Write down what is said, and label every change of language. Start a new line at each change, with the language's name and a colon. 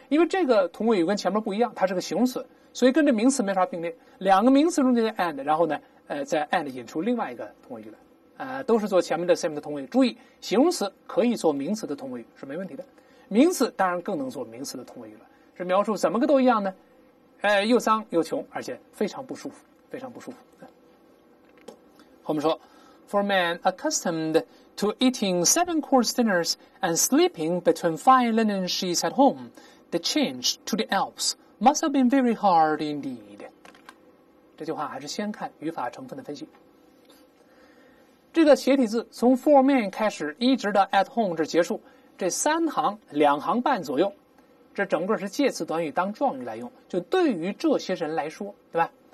Chinese: 因为这个同位语跟前面不一样，它是个形容词，所以跟这名词没啥并列，两个名词中间 and， 然后呢再 and 引出另外一个同位语来，都是做前面的 same 的同位语。注意，形容词可以做名词的同位语是没问题的，名词当然更能做名词的同位语了，是描述怎么个都一样呢？又脏又穷，而且非常不舒服，非常不舒服。我们说
English: ，For a man accustomed to eating 7-course dinners and sleeping between 5 linen sheets at home, the change to the Alps must have been very hard indeed。
Chinese: 这句话还是先看语法成分的分析。这个斜体字从 for a man 开始，一直到 at home 这结束，这三行两行半左右。这整个是介词短语当状语来用，就对于这些人来说，对吧？